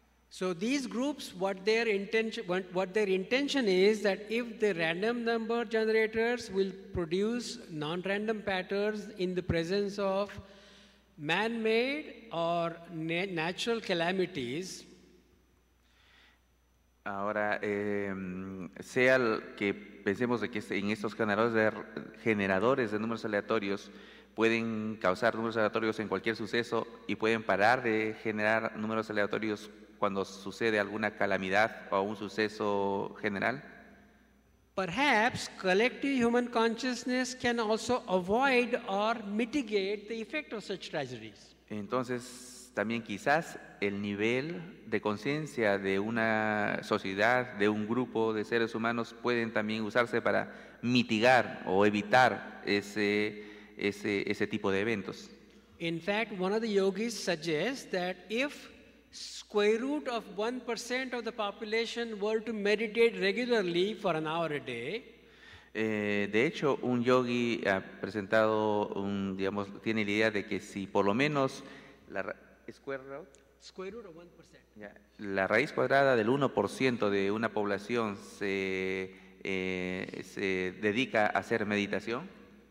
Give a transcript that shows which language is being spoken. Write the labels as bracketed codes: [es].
[en] So these groups, what their intention is that if the random number generators will produce non-random patterns in the presence of man-made or natural calamities. [es] Ahora, sea que pensemos de que en estos generadores de números aleatorios pueden causar números aleatorios en cualquier suceso y pueden parar de generar números aleatorios cuando sucede alguna calamidad o un suceso general. [en] Perhaps collective human consciousness can also avoid or mitigate the effect of such tragedies. [es] Entonces, también quizás el nivel de conciencia de una sociedad, de un grupo de seres humanos pueden también usarse para mitigar o evitar ese tipo de eventos. [en] In fact, one of the yogis suggests that if square root of 1% of the population were to meditate regularly for an hour a day. [es] De hecho, un yogi ha presentado tiene la idea de que si por lo menos la raíz cuadrada del 1% de una población se dedica a hacer meditación.